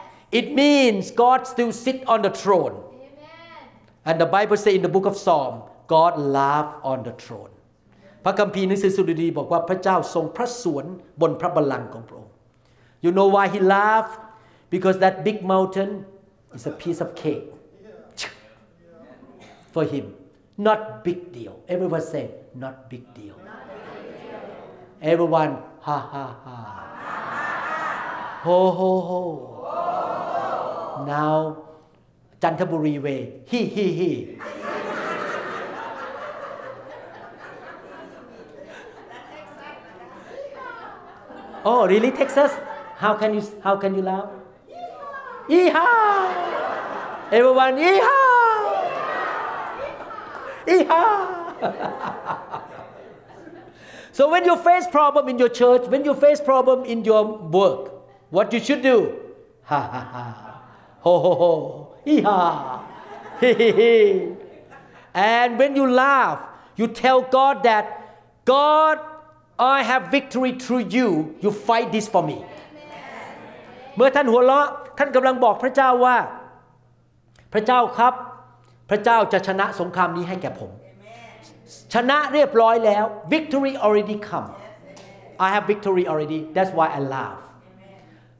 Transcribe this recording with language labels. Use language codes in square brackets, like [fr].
[en] It means God still sit on the throne. Amen. And the Bible say in the book of Psalm, God laugh on the throne. [th] พระคัมภีร์หนังสือสดุดีบอกว่าพระเจ้าทรงพระสวนบนพระบัลลังก์ของพระองค์ [en] You know why he laughed? Because that big mountainIt's a piece of cake for him. Not big deal. Everyone say, not big deal. Everyone, ha, ha, ha. Ho, ho, ho. Now, Chantaburi way, he, he, he. Oh, really, Texas? How can you laugh? Yeehaw! Everyone, yeehaw! Yeehaw! So when you face problem in your church, when you face problem in your work, what you should do? Ha ha ha! Ho ho ho! Yeehaw! And when you laugh, you tell God that, God, I have victory through you. You fight this for me. [th] เมื่อท่านหัวเราะท่านกำลังบอกพระเจ้าว่าพระเจ้าครับพระเจ้าจะชนะสงครามนี้ให้แก่ผม [en] Amen. [th] ชนะเรียบร้อยแล้ว [en] Victory already come I have victory already That's why I laugh Amen.